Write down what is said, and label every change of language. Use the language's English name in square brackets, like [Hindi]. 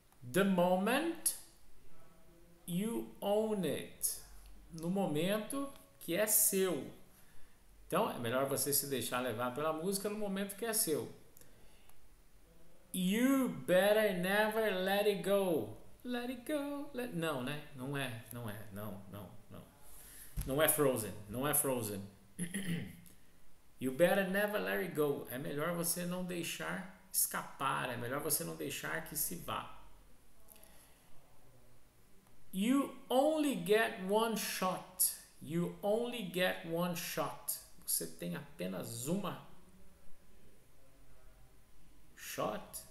[English] The moment you own it. [Portuguese] No momento que é seu. Então, é melhor você se deixar levar pela música no momento que é seu. [English] You better never let it go. Let it go. [Portuguese] Não, né? Não é. Não é. Não, não, não. Não é Frozen. Não é Frozen. [English] You better never let it go. [Portuguese] É melhor você não deixar escapar. É melhor você não deixar que se vá. [English] You only get one shot. You only get one shot. [Portuguese] Você tem apenas uma shot.